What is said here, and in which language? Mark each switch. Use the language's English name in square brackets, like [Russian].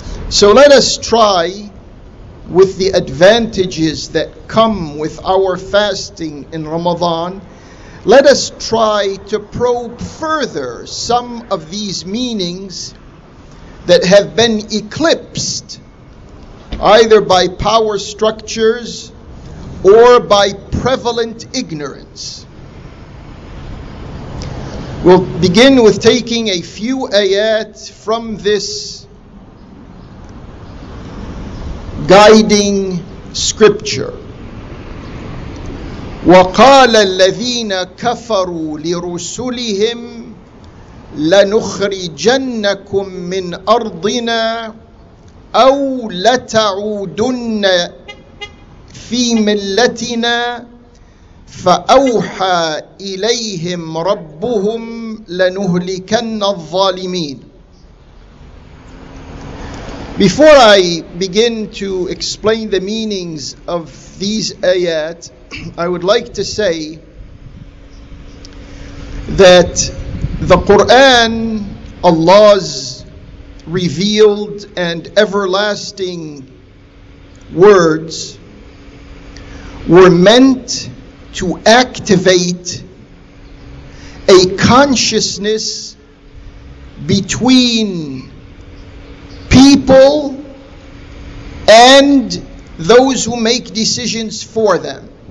[English] So let us try, with the advantages that come with our fasting in Ramadan, let us try to probe further some of these meanings that have been eclipsed either by power structures or by prevalent ignorance. We'll begin with taking a few ayat from this guiding scripture. [Arabic] وقال الذين كفروا لرسلهم لنخرجنكم من أرضنا أو لتعودن في ملتنا فأوحى إليهم ربهم لنهلكن الظالمين. [English] Before I begin to explain the meanings of these ayat, I would like to say that the Quran, Allah's revealed and everlasting words, were meant to activate a consciousness between people and those who make decisions for them.